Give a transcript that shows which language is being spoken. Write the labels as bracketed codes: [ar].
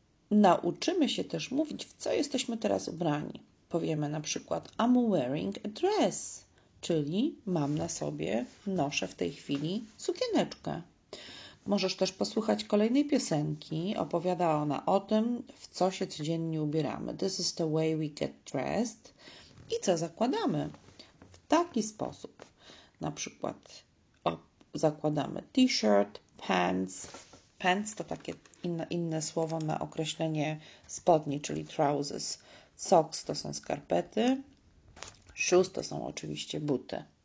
[pl] Nauczymy się też mówić, w co jesteśmy teraz ubrani. Powiemy na przykład, [en] I'm wearing a dress. [pl] Czyli mam na sobie, noszę w tej chwili sukieneczkę. Możesz też posłuchać kolejnej piosenki. Opowiada ona o tym, w co się codziennie ubieramy. [en] This is the way we get dressed. [pl] I co zakładamy? W taki sposób. Na przykład zakładamy t-shirt, pants. Pants to takie inne słowo na określenie spodni, czyli trousers. Socks to są skarpety. Shoes to są oczywiście buty.